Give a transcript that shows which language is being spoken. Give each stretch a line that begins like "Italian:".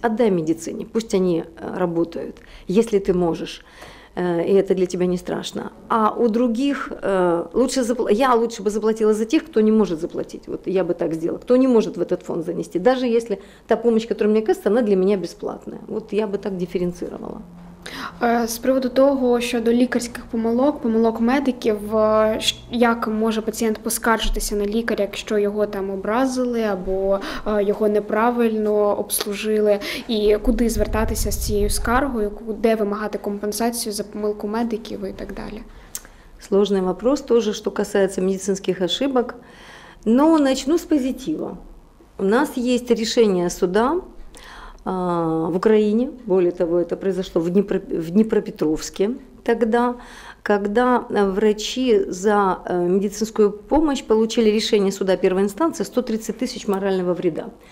Russian: Отдай медицине, пусть они работают, если ты можешь, и это для тебя не страшно. А у других, лучше я лучше бы заплатила за тех, кто не может заплатить. Вот я бы так сделала. Кто не может в этот фонд занести, даже если та помощь, которая мне кажется, она для меня бесплатная. Вот я бы так дифференцировала.
Ukrainian: З приводу того щодо лікарських помилок медиків, як може пацієнт поскаржитися на лікаря, якщо його там образили або його неправильно обслужили, і куди звертатися з цією скаргою, де вимагати компенсацію за помилку медиків і так далі?
Russian: Сложный вопрос тоже, что касается медицинских ошибок. Но начну с позитива. У нас есть решение суда в Украине, более того, это произошло в Днепропетровске тогда, когда врачи за медицинскую помощь получили решение суда первой инстанции 130 тысяч морального вреда.